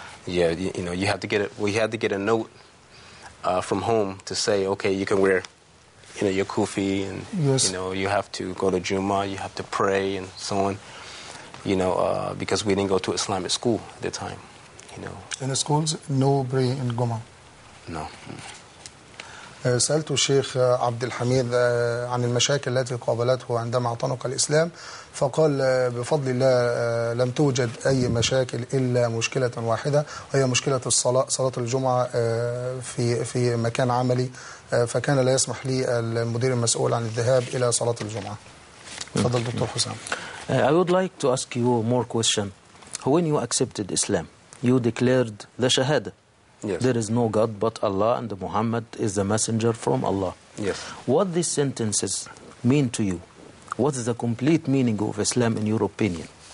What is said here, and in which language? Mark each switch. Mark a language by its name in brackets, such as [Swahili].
[English] Yeah, you know, you have to get it. We had to get a note from home to say, okay, you can wear, you know, your kufi, and yes. you know, you have to go to Jummah, you have to pray, and so on. You know, because we didn't go to Islamic school at the time. You know, in the schools, no pray in Jummah. No. [Arabic] سألت الشيخ عبد الحميد عن المشاكل التي قابلته عندما اعتنق الإسلام فقال بفضل الله لم توجد أي مشاكل إلا مشكلة واحدة وهي مشكلة الصلاة صلاة الجمعة في مكان عملي فكان لا يسمح لي المدير المسؤول عن الذهاب إلى صلاة الجمعة تفضل دكتور حسام [English] I would like to ask you more question when you accepted Islam you declared the shahada Yes. There is no God but Allah, and Muhammad is the messenger from Allah. Yes. What these sentences mean to you? What is the complete meaning of Islam in your opinion?